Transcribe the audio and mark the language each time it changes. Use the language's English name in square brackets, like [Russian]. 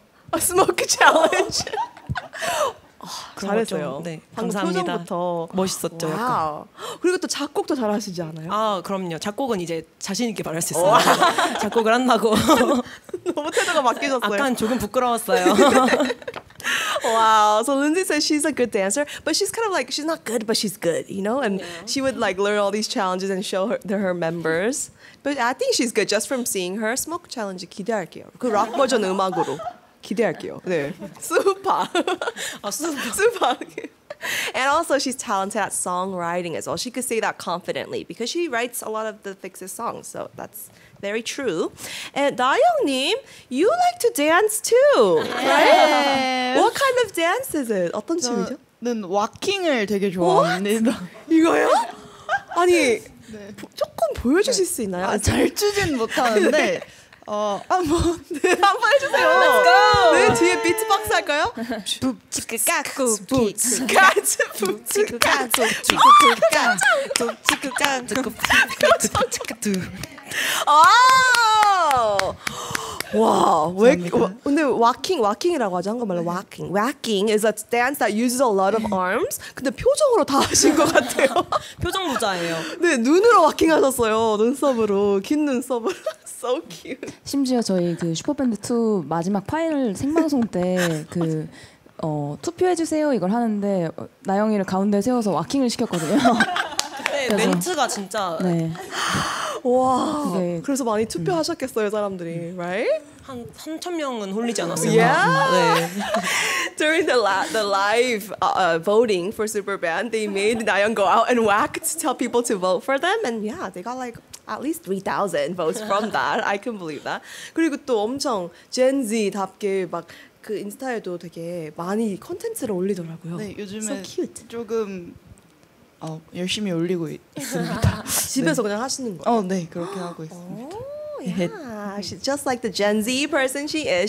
[Korean] 아 스모크 챌린지. 잘했어요. 네, 감사합니다. 표정부터 멋있었죠. 그리고 또 작곡도 잘하시지 않아요? 아, 그럼요. 작곡은 이제 자신 있게 말할 수 있어요. 작곡을 한다고. 너무 태도가 바뀌셨어요. 약간 조금 부끄러웠어요. [English] Wow. So Lindsay says she's a good dancer, but she's kind of like she's not good, but she's good, you know. And yeah. she would like learn all these challenges and show her members. But I think she's good just from seeing her. [Korean] Smoke challenge 기대할게요. 그 락 버전 음악으로. 기대할게요. 네. 수파. 아, 수파. 수파. [English] And also she's talented at songwriting as well. She could say that confidently because she writes a lot of the Fixes songs. So that's very true. And 다영님, you like to dance too, right? Yes. What kind of dance is it? [Korean] 어떤 춤이죠? 저는 왁킹을 되게 좋아합니다. 이거요? 아니, 네. 조금 보여주실 네. 수 있나요? 아, 잘 추진 못하는데. 한번 해주세요. [English] Let's go. [Korean] 네, 뒤에 비트박스 할까요? 부치크까쿠 부치크까쿠 부치크까쿠 부치크까쿠 부치크까쿠 부치크까쿠. 아! 와, 왜? 근데 왁킹이라고 하죠 한국말로 왁킹. [English] Wacking is a dance that uses a lot of arms. [Korean] 근데 표정으로 다 하신 것 같아요. 표정 부자예요. 네, 눈으로 왁킹하셨어요. 눈썹으로 긴 눈썹으로. [English] So cute. [Korean] 심지어 저희 그 슈퍼밴드 2 마지막 파이널 생방송 때 그 투표해 주세요 이걸 하는데 나영이를 가운데 세워서 왁킹을 시켰거든요. 네, 멘트가 진짜. 네. 와. 네. 그래서 많이 투표하셨겠어요, 사람들이. [English] Right? [Korean] 한 3천 명은 홀리지 않았어요. [English] Yeah. 네. During the live voting for Superband, they made Nayeon go out and whack to tell people to vote for them and yeah, they got like at least 3,000 votes from that. I can believe that. [Korean] 그리고 또 엄청 Gen Z답게 막 그 인스타에도 되게 많이 콘텐츠를 올리더라고요. 네, 요즘에 [English] so cute. [Korean] 조금 열심히 올리고 있습니다. 집에서 네. 그냥 하시는 거예요? 네, 그렇게 하고 있습니다. [English] Yeah, she's just like the Gen Z person she is.